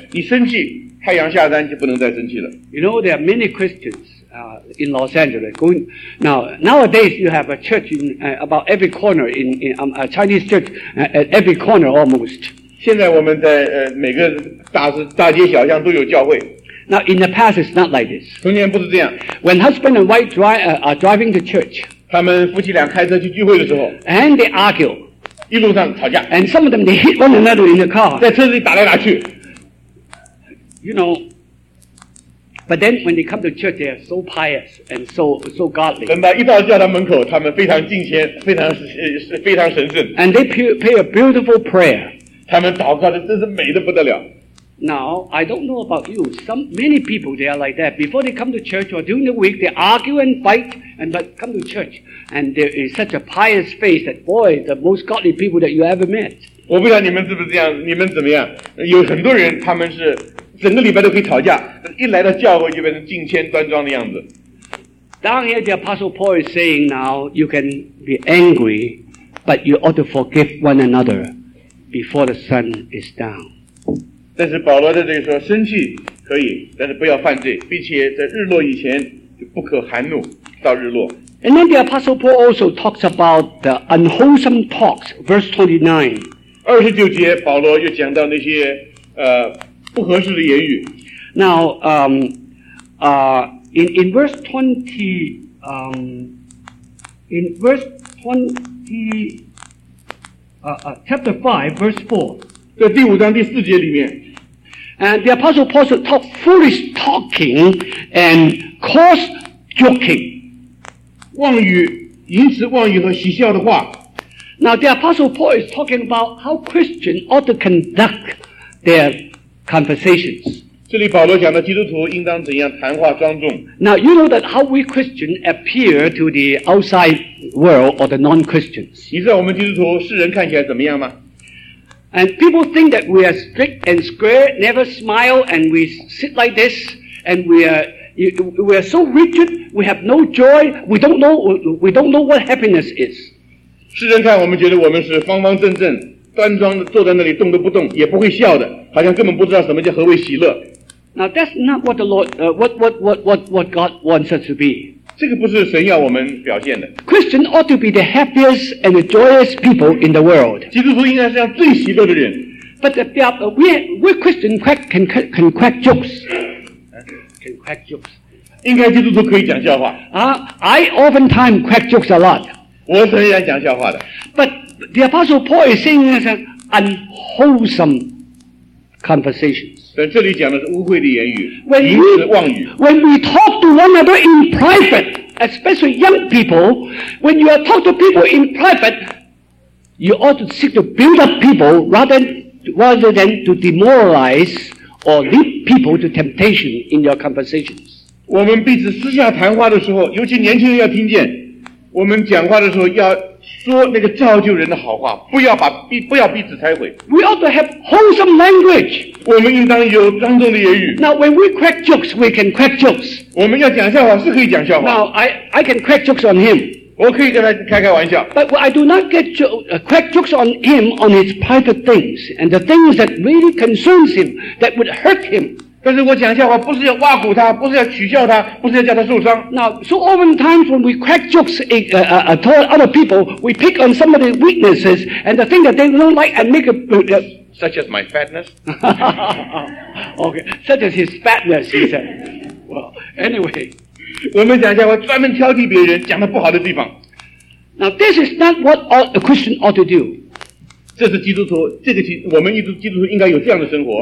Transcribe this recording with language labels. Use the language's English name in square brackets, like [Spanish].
[Chinese] 你生气，太阳下山就不能再生气了。 [English] You know there are many Christians. In Los Angeles, going nowadays, you have a church in about every corner in a Chinese church at every corner almost. [Chinese] 现在我们在每个大街小巷都有教会。 [English] Now in the past, it's not like this. [Chinese] 从前不是这样。 [English] When husband and wife are driving to church, [Chinese] 他们夫妻俩开车去聚会的时候 [English] and they argue, [Chinese] 一路上吵架。 [English] And some of them they hit one another in the car. [Chinese] 在车里打来打去。 [English] You know, but then when they come to church, they are so pious and so godly. [Chinese] 等到一到教堂门口，他们非常敬虔，非常非常神圣。 [English] And they pay a beautiful prayer. [Chinese] 他们祷告的真是美得不得了。 [English] Now, I don't know about you. Many people, they are like that. Before they come to church or during the week, they argue and fight, but come to church. And there is such a pious face that, boy, the most godly people that you ever met. [Chinese] 我不知道你们是不是这样，你们怎么样？有很多人，他们是整个礼拜都可以吵架，一来到教会就变成敬虔端庄的样子。 [English] Down here, the Apostle Paul is saying now, you can be angry, but you ought to forgive one another before the sun is down. [Chinese] 但是保罗在这里说生气可以但是不要犯罪并且在日落以前就不可含怒到日落。 [English] And then the Apostle Paul also talks about the unwholesome talks, verse 29. [Chinese] 二十九节保罗又讲到那些不合适的言语。 [English] Now, in verse 20, in verse 20, chapter 5, verse 4. [Chinese] 在第五章第四节里面 [English] And the Apostle Paul talk foolish talking and coarse joking. [Chinese] 妄语，淫词妄语和嬉笑的话。 [English] Now the Apostle Paul is talking about how Christians ought to conduct their conversations. [Chinese] 这里保罗讲的基督徒应当怎样谈话庄重。 [English] Now you know that how we Christians appear to the outside world or the non-Christians. [Chinese] 你知道我们基督徒世人看起来怎么样吗？ [English] And people think that we are strict and square, never smile, and we sit like this, and we are so rigid, we have no joy, we don't know what happiness is. [Chinese] 世人看我们觉得我们是方方正正，端庄的坐在那里动都不动，也不会笑的，好像根本不知道什么叫何为喜乐。 [English] Now that's not what the Lord, what God wants us to be. [Chinese] 这个不是神要我们表现的。 [English] Christian ought to be the happiest and the joyous people in the world. [Chinese] 基督徒应该是要最喜乐的人。 [English] But we Christian can crack jokes. Can crack jokes. [Chinese] 应该基督徒可以讲笑话。 [English] I oftentimes crack jokes a lot. [Chinese] 我是很爱讲笑话的。 [English] But the Apostle Paul is saying it's an unwholesome conversation. [Chinese] 但这里讲的是污秽的言语，淫词妄语。 [English] When we talk to one another in private, especially young people, when you are talk to people in private, you ought to seek to build up people rather than to demoralize or lead people to temptation in your conversations. [Chinese] 我们彼此私下谈话的时候，尤其年轻人要听见，我们讲话的时候要说那个造就人的好话，不要彼此拆毁。 [English] We ought to have wholesome language. [Chinese] 我们应当有庄重的言语。 [English] Now when we crack jokes, we can crack jokes. [Chinese] 我们要讲笑话是可以讲笑话。 [English] Now I can crack jokes on him. [Chinese] 我可以跟他开开玩笑。 [English] But I do not get crack jokes on him on his private things and the things that really concerns him that would hurt him. [Chinese] 但是我讲笑话不是要挖苦他，不是要取笑他，不是要叫他受伤。 [English] Now so often times when we crack jokes toward other people, we pick on somebody's weaknesses and the thing that they don't like and make a Such as my fatness. okay, such as his fatness, he said. Well, anyway. [Chinese] 我们讲一下我专门挑剔别人讲的不好的地方。 [English] Now, this is not what a Christian ought to do. [Chinese] 这是基督徒，这个我们基督徒应该有这样的生活。